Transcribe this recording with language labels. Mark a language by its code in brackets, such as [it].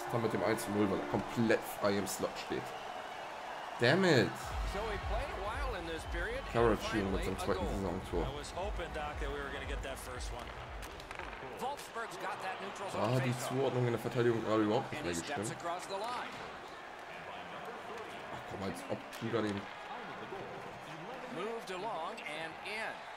[de] Dann mit dem 1-0, weil er komplett frei im Slot steht. [en] Damn it! So he played a while in this period. Encouraging [de] mit seinem zweiten Saisontor. [en] I was hoping, Doc, that we were gonna get that first one. [de] Da hat die Zuordnung in der Verteidigung gerade überhaupt nicht mehr gestimmt. Ach komm, als ob die da den... [en] Moved along and in.